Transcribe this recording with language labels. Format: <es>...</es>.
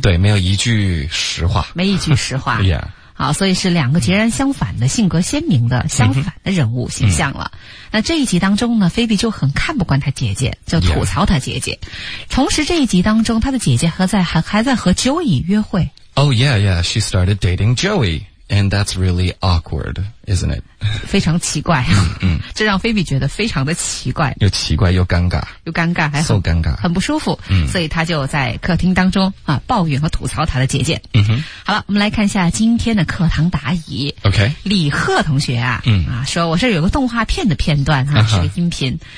<zh>对，没有一句实话。没一句实话。好，所以是两个截然相反的性格鲜明的相反的人物形象了。那这一集当中呢，菲比就很看不惯他姐姐，就吐槽他姐姐。同时这一集当中，他的姐姐还在和 Joey 约会。</zh> <en>She started dating Joey, and that's really awkward, isn't it?</en> <zh>非常奇怪。这让菲比觉得非常的奇怪。又奇怪又尴尬。又尴尬还很。So 尴尬。很不舒服。所以他就在客厅当中啊抱怨和吐槽他的姐姐。好了，我们来看一下今天的课堂答疑。 OK。李贺同学啊说我这有个动画片的片段啊，是个音频。</zh>